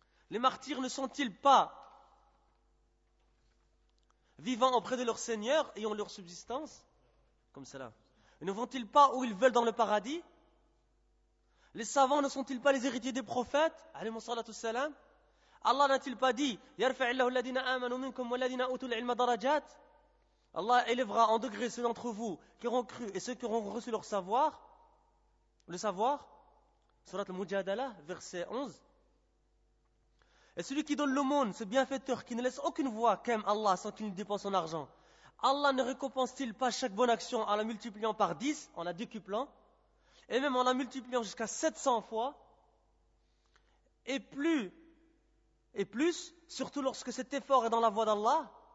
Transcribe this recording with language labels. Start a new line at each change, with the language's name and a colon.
French: Les martyrs ne sont-ils pas vivants auprès de leur Seigneur, ayant leur subsistance? Comme cela. Ne vont-ils pas où ils veulent dans le paradis? Les savants ne sont-ils pas les héritiers des prophètes?
Arabic: Alayhi salatu salam.
French: Allah n'a-t-il pas dit
Arabic: يَرْفَعِ اللَّهُ الَّذِينَ آمَنُوا مِنْكُمْ وَالَّذِينَ أُوتُوا الْعِلْمَ دَرَجَاتِ.
French: Allah élèvera en degré ceux d'entre vous qui auront cru et ceux qui auront reçu leur savoir. Le savoir. Surat al-Mujadala, verset 11. Et celui qui donne l'aumône, ce bienfaiteur qui ne laisse aucune voie qu'aime Allah sans qu'il ne dépense son argent, Allah ne récompense-t-il pas chaque bonne action en la multipliant par 10, en la décuplant, et même en la multipliant jusqu'à 700 fois, et plus, surtout lorsque cet effort est dans la voie d'Allah?